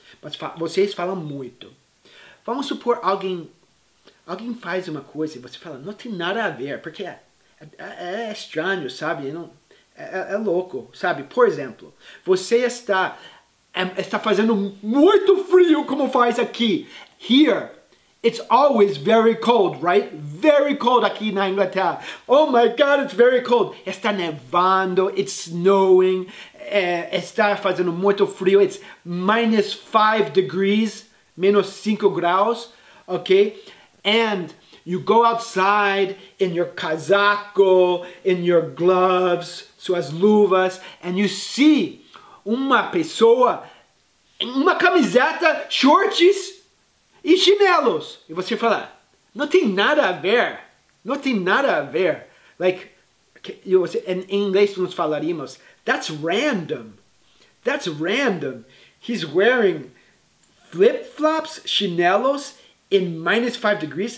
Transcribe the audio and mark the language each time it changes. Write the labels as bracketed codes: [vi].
[pt] Mas vocês falam muito. Vamos supor alguém faz uma coisa e você fala, não tem nada a ver, porque é estranho, sabe? Não, é louco, sabe? Por exemplo, você está fazendo muito frio como faz aqui. Here, [en] It's always very cold, right? Very cold [pt] aqui na Inglaterra. [en] Oh my God, it's very cold. [pt] Está nevando, [en] it's snowing, [pt] está fazendo muito frio. [en] It's minus 5 degrees, [pt] menos 5 graus, [en] okay? And you go outside in your casaco, in your gloves, [pt] suas luvas, [en] and you see [pt] uma pessoa, uma camiseta, [en] shorts, [pt] e chinelos. E você fala, não tem nada a ver. Não tem nada a ver. Like, em inglês nós falaríamos, [en] that's random. That's random. He's wearing flip-flops, chinelos, in minus 5 degrees.